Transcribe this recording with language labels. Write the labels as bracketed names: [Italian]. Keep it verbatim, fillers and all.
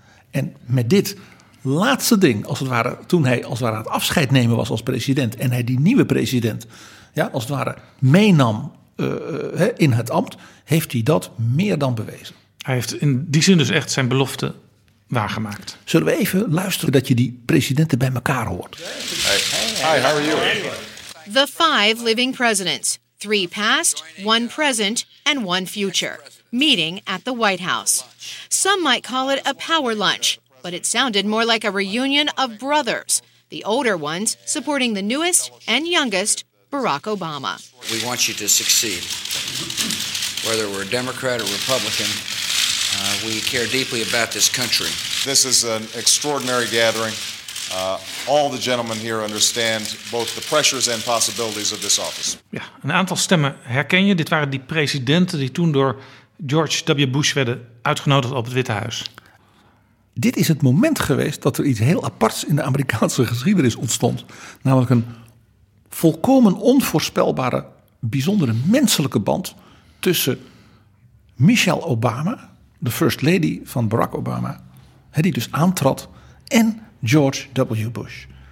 [Dutch] En met dit laatste ding, als het ware, toen hij als het ware aan het afscheid nemen was als president en hij die nieuwe president ja, als het ware meenam uh, uh, in het ambt, heeft hij dat meer dan bewezen. Hij heeft in die zin dus echt zijn belofte waargemaakt. Zullen we even luisteren dat je die presidenten bij elkaar hoort. [English] Hi, how are you? The five living presidents. Three past, one present and one future. Meeting at the White House. Some might call it a power lunch. But it sounded more like a reunion of brothers. the older ones supporting the newest and youngest, Barack Obama. We want you to succeed. Whether we're Democrat or Republican, uh, we care deeply about this country. This is an extraordinary gathering. Uh, all the gentlemen here understand both the pressures and possibilities of this office. [Dutch] Ja, een aantal stemmen herken je. Dit waren die presidenten die toen door George W. Bush werden uitgenodigd op het Witte Huis. Dit is het moment geweest dat er iets heel aparts in de Amerikaanse geschiedenis ontstond. Namelijk een volkomen onvoorspelbare, bijzondere menselijke band tussen Michelle Obama, de first lady van Barack Obama, die dus aantrad, en George W. Bush.